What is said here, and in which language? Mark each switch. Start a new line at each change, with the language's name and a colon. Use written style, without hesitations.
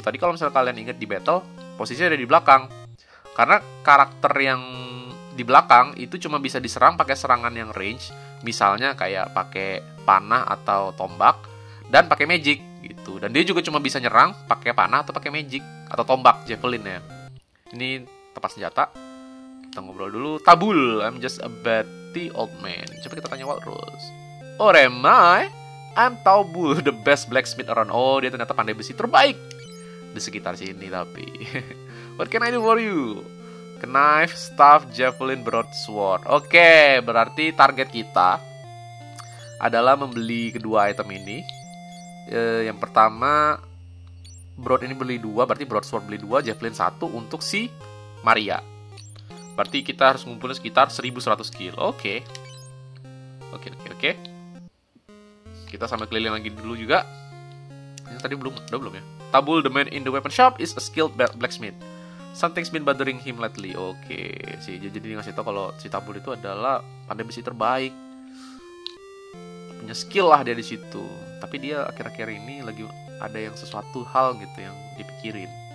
Indonesian: Tadi kalau misalnya kalian ingat di battle, posisinya ada di belakang. Karena karakter yang di belakang itu cuma bisa diserang pakai serangan yang range. Misalnya kayak pakai panah atau tombak dan pakai magic gitu. Dan dia juga cuma bisa nyerang pakai panah atau pakai magic atau tombak, javelin ya. Ini tempat senjata. Kita ngobrol dulu.
English: Tabul, I'm just a batty old man.
Indonesian: Coba kita tanya Wild Rose.
English: Or am I? I'm Tabul, the best blacksmith around.
Indonesian: Oh, dia ternyata pandai besi terbaik di sekitar sini tapi.
English: What can I do for you? Knife, staff, javelin, broadsword.
Indonesian: Oke, berarti target kita adalah membeli kedua item ini. Yang pertama, broad ini beli 2, berarti broadsword beli 2, javelin 1 untuk si Maria. Berarti kita harus ngumpulin sekitar 1100 skill. Oke. Okay. Oke. Kita sambil keliling lagi dulu juga. Ini tadi belum ya.
English: Tabul, the man in the weapon shop is a skilled blacksmith. Something's been bothering him lately. Oke. Okay.
Indonesian: Si jadi ngasih tau kalau si Tabul itu adalah pandai besi terbaik. Punya skill lah dia di situ. Tapi dia akhir-akhir ini lagi ada yang sesuatu hal gitu yang dipikirin.